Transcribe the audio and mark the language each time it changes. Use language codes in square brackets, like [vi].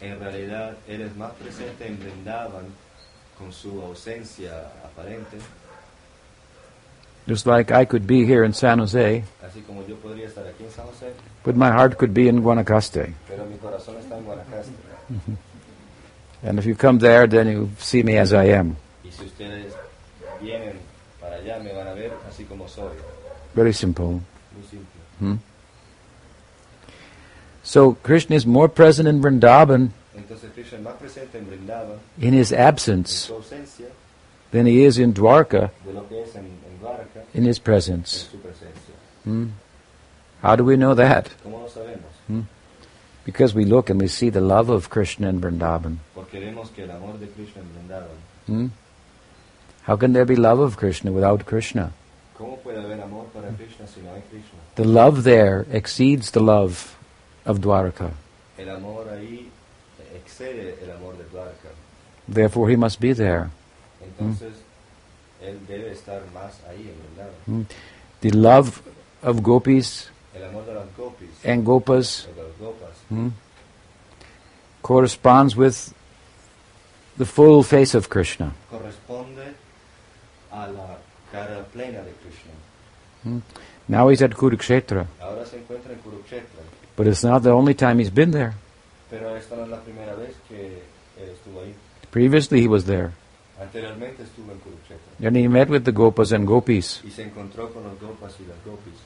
[es] En realidad, él es más presente en Vrindavan con su ausencia aparente. [en] Just like I could be here in San Jose, [es] así como yo podría estar aquí en San Jose, [en] but my heart could be in Guanacaste. [es] Pero mi corazón está en Guanacaste. [en] And if you come there, then you see me as I am. [es] Y si ustedes vienen para allá, me van a ver así como soy. [en] Very simple. [es] Muy simple. [en] So Krishna is more present in Vrindavan, [es] entonces Krishna es más presente en Vrindavan [en] in his absence, [es] en su ausencia, [en] than he is in Dwarka. [es] De lo que es en Dwarka, [en] in his presence. [es] En su presencia. [en] How do we know that? [es] ¿Cómo lo sabemos? [en] Because we look and we see the love of Krishna in Vrindavan. [es] Porque vemos que el amor de Krishna en Vrindavan. [en] How can there be love of Krishna without Krishna? [es] ¿Cómo puede haber amor para Krishna si no hay Krishna? [en] The love there exceeds the love of Dwarka. [es] El amor ahí excede el amor de Dwarka. [en] Therefore he must be there. [es] Entonces, él debe estar más ahí, en Vrindavan. [en] The love of gopis, [es] el amor de las gopis [en] and gopas, [es] de las gopas. [en] Corresponds with the full face of Krishna. [es] Corresponde a la cara plena de Krishna. [en] Now he's at Kurukshetra. [es] Ahora se encuentra en Kurukshetra. [en] But it's not the only time he's been there. [es] Pero esta no es la primera vez que estuvo ahí. [en] Previously he was there. [es] Anteriormente estuvo en Kurukshetra. [en] And he met with the gopas and gopis. [es] Y se encontró con los gopas y las gopis.